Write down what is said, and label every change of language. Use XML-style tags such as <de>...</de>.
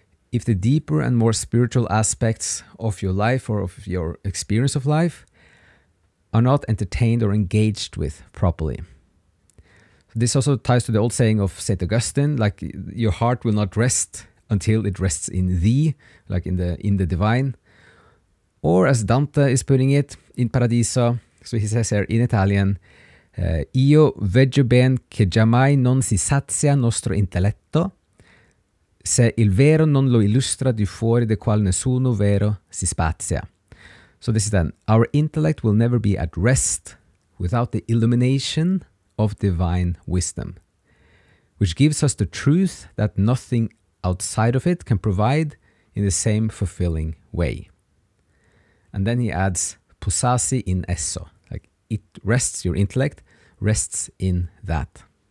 <en>If the deeper and more spiritual aspects of your life or of your experience of life are not entertained or engaged with properly. This also ties to the old saying of St. Augustine, like your heart will not rest until it rests in thee, like in the divine. Or as Dante is putting it in Paradiso, so he says here in Italian,</en> <it>io veggio ben che giammai non si sazia nostro intelletto, se il vero non lo illustra di fuori de qual nessuno vero si spazia.</it> <en>So this is then, our intellect will never be at rest without the illumination of divine wisdom, which gives us the truth that nothing outside of it can provide in the same fulfilling way. And then he adds,</en> <it>posasi in esso,</it> <en>like it rests, your intellect rests in that.</en>